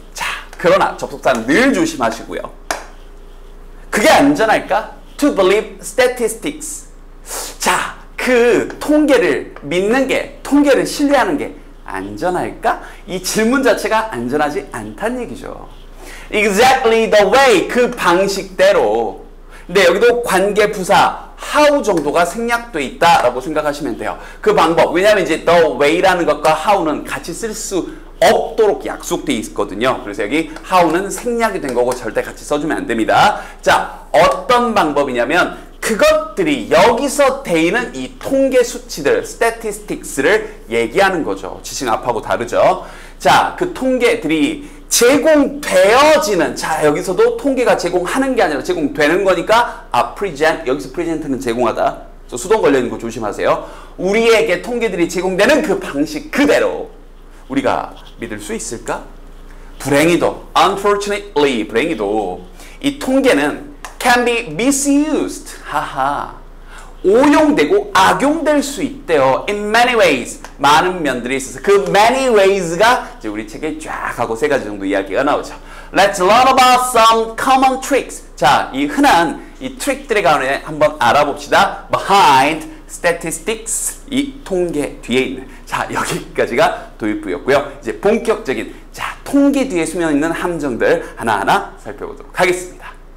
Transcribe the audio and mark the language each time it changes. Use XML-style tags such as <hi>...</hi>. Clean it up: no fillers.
<ko>자, 그러나 접속사는 늘 조심하시고요. 그게 안전할까?</ko> <en>To believe statistics.</en> <ko>자, 그 통계를 믿는 게, 통계를 신뢰하는 게 안전할까? 이 질문 자체가 안전하지 않다는 얘기죠.</ko> <en>Exactly the way,</en> <ko>그 방식대로. 근데 여기도 관계 부사 how 정도가 생략돼 있다라고 생각하시면 돼요. 그 방법, 왜냐하면 이제</ko> <en>the way</en> <ko>라는 것과 how는 같이 쓸 수 없도록 약속돼 있거든요. 그래서 여기 how는 생략이 된 거고 절대 같이 써주면 안 됩니다. 자, 어떤 방법이냐면, 그것들이 여기서 돼 있는 이 통계 수치들, statistics를 얘기하는 거죠. 지칭 앞하고 다르죠. 자, 그 통계들이 제공되어지는, 자, 여기서도 통계가 제공하는 게 아니라 제공되는 거니까, 아, present, 여기서 present는 제공하다, 저 수동 걸려있는 거 조심하세요. 우리에게 통계들이 제공되는 그 방식 그대로 우리가 믿을 수 있을까? 불행히도,</ko> <en>unfortunately,</en> <ko>불행히도 이 통계는</ko> <en>can be misused,</en> <ko>하하, 오용되고 악용될 수 있대요.</ko> <en>In many ways,</en> <ko>많은 면들이 있어서. 그 many ways가 이제 우리 책에 쫙 하고 세 가지 정도 이야기가 나오죠.</ko> <en>Let's learn about some common tricks.</en> <ko>자, 이 흔한 이 트릭들에 관해 한번 알아봅시다.</ko> <en>Behind statistics,</en> <ko>이 통계 뒤에 있는. 자, 여기까지가 도입부였고요. 이제 본격적인, 자, 통계 뒤에 숨어있는 함정들 하나하나 살펴보도록 하겠습니다.</ko>